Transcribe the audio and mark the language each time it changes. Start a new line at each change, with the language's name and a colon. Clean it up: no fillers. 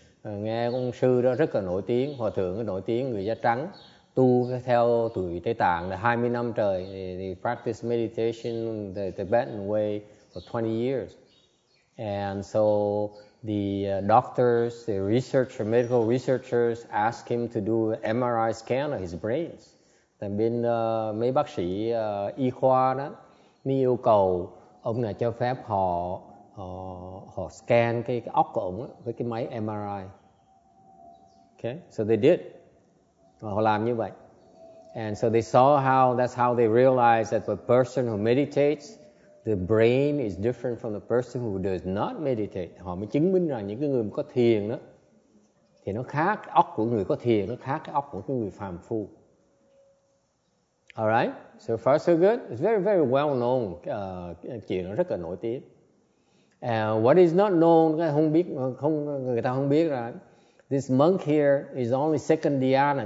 Vietnamese: Nghe ông sư đó rất là nổi tiếng, hòa thượng nổi tiếng, người da trắng, tu theo tụi Tây Tạng 20 năm trời,
English: he practiced meditation the Tibetan way for 20 years. And so the doctors, the researcher, medical researchers asked him to do an MRI scan of his brains.
Vietnamese: Tại bên mấy bác sĩ y khoa đó, mới yêu cầu ông này cho phép họ họ scan cái óc của ông đó, với cái máy MRI.
English: Okay, so they did.
Vietnamese: Họ làm như vậy.
English: And so they saw how, that's how they realized that the person who meditates, the brain is different from the person who does not meditate.
Vietnamese: Họ mới chứng minh rằng những cái người có thiền đó, thì nó khác, óc của người có thiền nó khác cái óc của cái người phàm phu.
English: Alright, so far so good. It's very, very well known.
Vietnamese: Chuyện nó rất là nổi tiếng.
English: What is not known,
Vietnamese: không biết, không, người ta không biết là
English: this monk here is only second dhyana.